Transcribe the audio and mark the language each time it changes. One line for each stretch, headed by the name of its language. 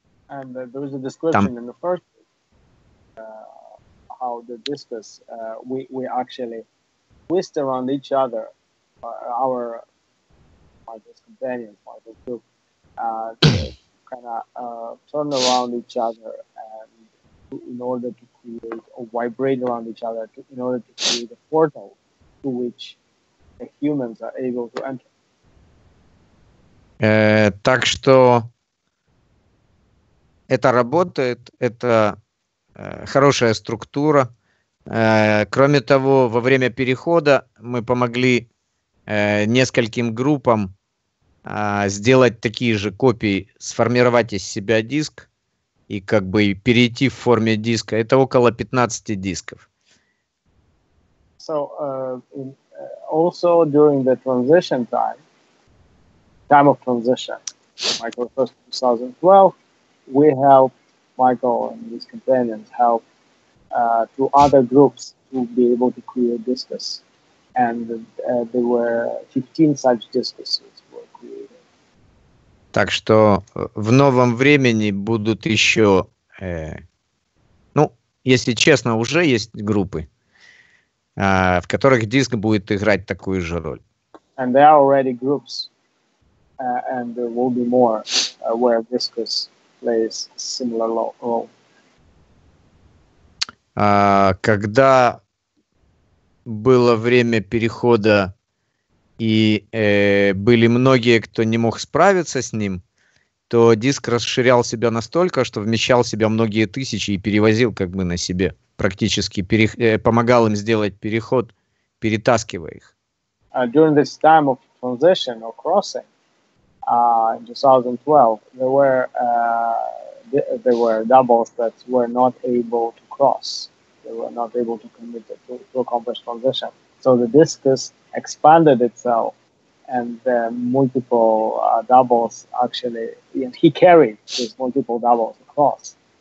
English: And there was a description in the first how the discus we actually twist around each other, our companions, my group, kind of turn around each other and in order to create or vibrate around each other in order to create a portal to which the humans are able to enter.
Russian: Так что это работает, это хорошая структура. Кроме того, во время перехода мы помогли нескольким группам сделать такие же копии, сформировать из себя диск и как бы перейти в форме диска. Это около 15 дисков.
English: So, also during the transition time of transition, Michael first 2012, we helped Michael and his companions help to other groups to be able to create discus. And there were 15 such discus were created.
Russian: Так что в новом времени будут еще, если честно, уже есть группы, в которых диск будет играть такую же роль.
English: And there are already groups, and there will be more, where discus plays similar role.
Russian: Когда было время перехода и были многие, кто не мог справиться с ним, то диск расширял себя настолько, что вмещал в себя многие тысячи и перевозил как бы на себе, практически помогал им сделать переход, перетаскивая их.
English: During this time of transition or crossing, in 2012, there were doubles that were not able to cross. They were not able to commit to accomplish transition. So the discus expanded itself, and the multiple doubles actually, he carried these multiple doubles across.